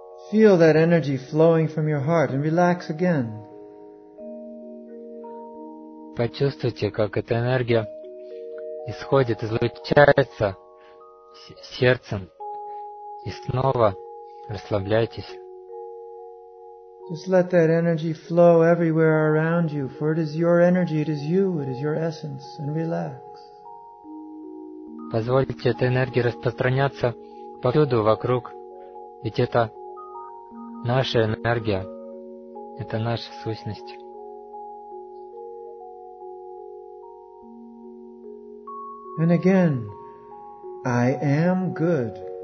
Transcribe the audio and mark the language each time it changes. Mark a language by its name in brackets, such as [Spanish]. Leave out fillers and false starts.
[English] Feel that energy flowing from your heart and relax again. [Russian] Почувствуйте, как эта энергия исходит, излучается сердцем, и снова расслабляйтесь. [English] Just let that energy flow everywhere around you, for it is your energy, it is you, it is your essence, and relax. [Russian] Позвольте этой энергии распространяться повсюду вокруг, ведь это наша энергия, это наша сущность. [English] And again, I am good.